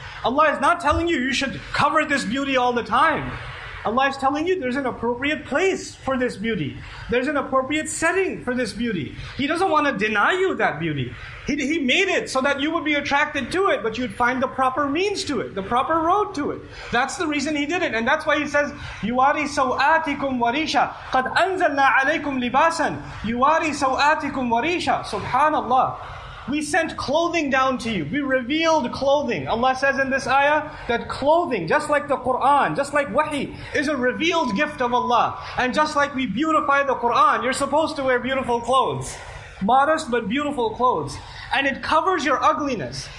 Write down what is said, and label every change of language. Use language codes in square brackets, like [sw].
[en] Allah is not telling you should cover this beauty all the time. Allah is telling you there's an appropriate place for this beauty. There's an appropriate setting for this beauty. He doesn't want to deny you that beauty. He made it so that you would be attracted to it, but you'd find the proper means to it, the proper road to it. That's the reason he did it. And that's why he says, [ar] يُوَارِ سَوْآتِكُمْ وَرِيشَ قَدْ أَنزَلْنَا عَلَيْكُمْ لِبَاسًا يُوَارِ سَوْآتِكُمْ وَرِيشَ. [en] Subhanallah. We sent clothing down to you. We revealed clothing. Allah says in this ayah that clothing, just like the Quran, just like wahi, is a revealed gift of Allah. And just like we beautify the Quran, you're supposed to wear beautiful clothes. Modest but beautiful clothes. And it covers your ugliness.